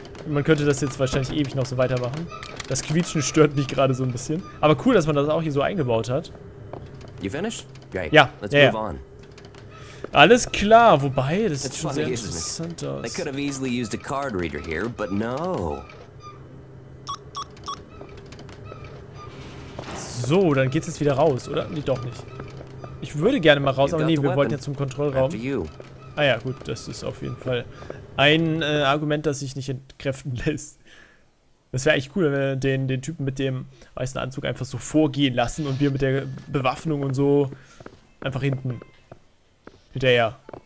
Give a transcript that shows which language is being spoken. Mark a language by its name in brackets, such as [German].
[German] Man könnte das jetzt wahrscheinlich ewig noch so weitermachen. Das Quietschen stört mich gerade so ein bisschen. Aber cool, dass man das auch hier so eingebaut hat. [English] You finished? Great. Ja. Let's [German] ja, [English] move [German] ja. [English] On. [German] Alles klar, wobei, das sieht schon sehr interessant aus. [English] They could have easily used a card reader here, but no. [German] So, dann geht's jetzt wieder raus, oder? Nee, doch nicht. Ich würde gerne mal raus, aber nee, wir wollten ja zum Kontrollraum. Ah ja, gut, das ist auf jeden Fall ein Argument, das sich nicht entkräften lässt. Das wäre echt cool, wenn wir den Typen mit dem weißen Anzug einfach so vorgehen lassen und wir mit der Bewaffnung und so einfach hinten hinterher.